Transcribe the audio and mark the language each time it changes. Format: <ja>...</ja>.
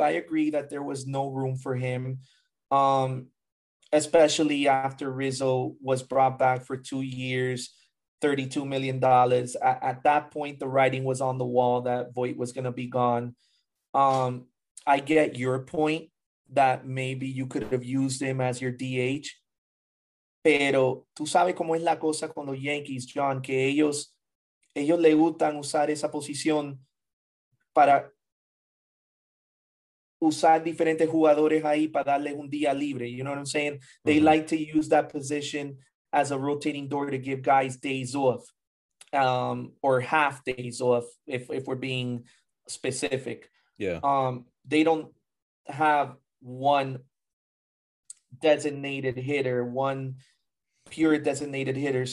<en>I agree that there was no room for him. Especially after Rizzo was brought back for 2 years, $32 million. At that point, the writing was on the wall that Voit was going to be gone. I get your point that maybe you could have used him as your DH.</en> <es>Pero tú sabes cómo es la cosa con los Yankees, John, que ellos le gustan usar esa posición para usar diferentes jugadores ahí para darle un día libre.</es> <en>You know what I'm saying? Mm-hmm. They like to use that position as a rotating door to give guys days off, or half days off, if we're being specific. Yeah. They don't have one designated hitter, one pure designated hitter.</en>